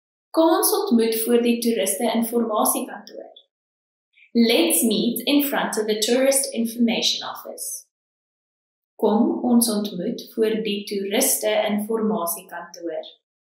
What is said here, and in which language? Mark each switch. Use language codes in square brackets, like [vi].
[af] Kom ons ontmoet voor die toeriste informasiekantoor. [en] Let's meet in front of the tourist information office. [af] Kom ons ontmoet voor die toeriste informasiekantoor.